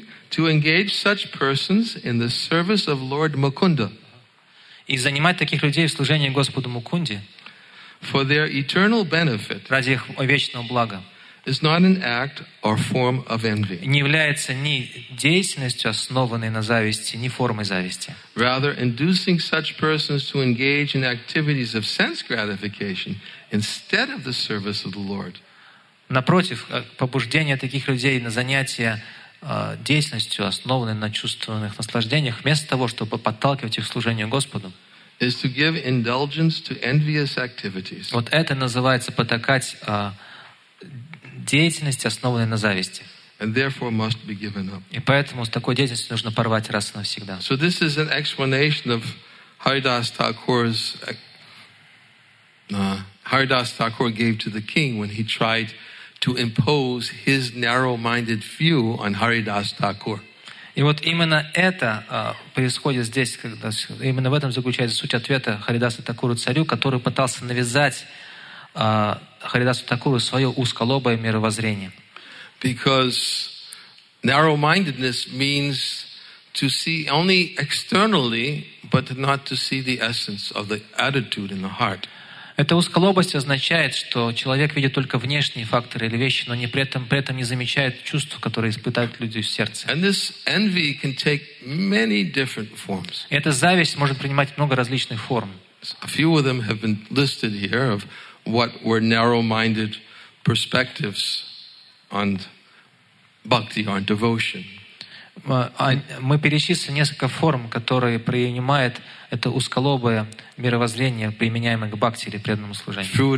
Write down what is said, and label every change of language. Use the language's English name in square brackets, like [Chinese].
[English] To engage such persons in the service of Lord Mukunda. [Russian] И занимать таких людей в служении Господу Мукунде. [English] For their eternal benefit. [Russian] Ради их вечного блага. [English] Is not an act or form of envy. [Russian] Не является ни деятельностью, основанной на зависти, ни формой зависти. [English] Rather, inducing such persons to engage in activities of sense gratification instead of the service of the Lord. [Russian] Напротив, побуждение таких людей на занятия деятельностью, основанной на чувственных наслаждениях, вместо того, чтобы подталкивать их к служению Господу. [English] Is to give indulgence to envious activities. [Russian] Вот это называется потакать деятельности, основанной на зависти. [English] And therefore must be given up. [Russian] И поэтому с такой деятельностью нужно порвать раз и навсегда. [English] So this is an explanation of Haridas Thakur's Haridas Thakur gave to the king when he tried to impose his narrow-minded view on Haridas Thakur. [Russian] И вот именно это происходит здесь, когда именно в этом заключается суть ответа Харидаса Такуру царю, который пытался навязать Харидасу Такуру свое узколобое мировоззрение. [English] Because narrow-mindedness means to see only externally, but not to see the essence of the attitude in the heart. [Russian] Эта узколобость означает, что человек видит только внешние факторы или вещи, но при этом не замечает чувств, которые испытывают люди в сердце. [English] And this envy can take many different forms. [Russian] Эта зависть может принимать много различных форм. [English] A few of them have been listed here of what were narrow-minded perspectives on bhakti, on devotion. [Russian] Мы перечислили несколько форм, которые принимает это узколобое мировоззрение, применяемое к бхакти или преданному служению.